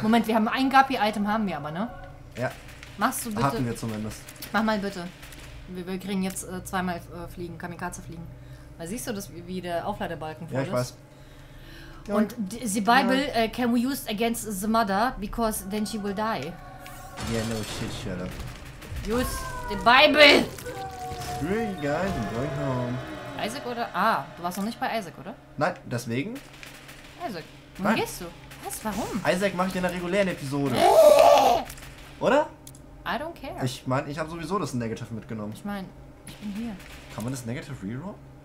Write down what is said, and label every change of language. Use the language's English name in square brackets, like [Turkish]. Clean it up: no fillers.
[German] Moment, wir haben ein Guppy-Item, haben wir aber, ne? Ja. Machst du bitte. Hatten wir zumindest. Mach mal bitte. Wir kriegen jetzt zweimal fliegen, Kamikaze fliegen. Weil siehst du, dass wie der Aufladebalken voll ist? Ja, ich weiß. [English] Und the Bible can we use against the mother, because then she will die. Yeah, no shit, shut up. Use the Bible! Three guys, I'm going home. [German] Isaac oder? Du warst noch nicht bei Isaac, oder? Nein, deswegen. Isaac, wo gehst du? Was, warum? Isaac mache ich in der regulären Episode. Oder? [English] I don't care. [German] Ich meine, ich habe sowieso das Negative mitgenommen. Ich meine, ich bin hier. Kann man das Negative reroll?